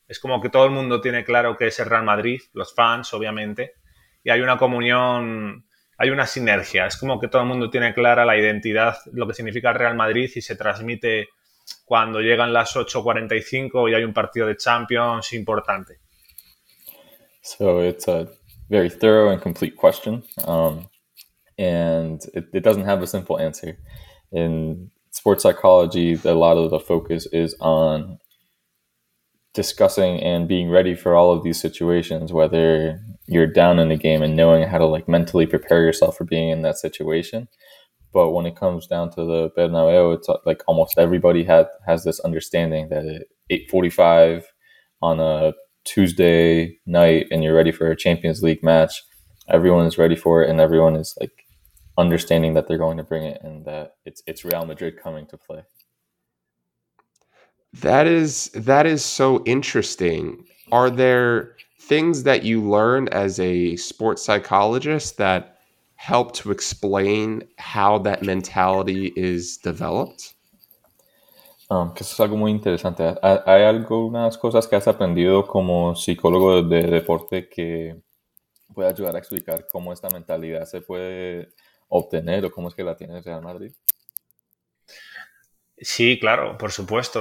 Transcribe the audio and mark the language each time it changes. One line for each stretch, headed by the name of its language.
Spanish: Es como que todo el mundo tiene claro que es el Real Madrid, los fans, obviamente, y hay una comunión, hay una sinergia. Es como que todo el mundo tiene clara la identidad, lo que significa el Real Madrid, y se transmite cuando llegan las 8:45 y hay un partido de Champions importante.
English: So it's a very thorough and complete question, and it doesn't have a simple answer. In sports psychology, a lot of the focus is on discussing and being ready for all of these situations, whether you're down in the game and knowing how to like mentally prepare yourself for being in that situation. But when it comes down to the Bernabeu, it's like almost everybody has this understanding that at 8:45 on a Tuesday night and you're ready for a Champions League match, everyone is ready for it and everyone is like understanding that they're going to bring it and that it's Real Madrid coming to play. That is so interesting. Are there things that you learned as a sports psychologist that help to explain how that mentality is developed?
Spanish: Que eso es algo muy interesante. Hay algunas cosas que has aprendido como psicólogo de deporte que puede ayudar a explicar cómo esta mentalidad se puede obtener o cómo es que la tiene Real Madrid. Sí, claro, por supuesto.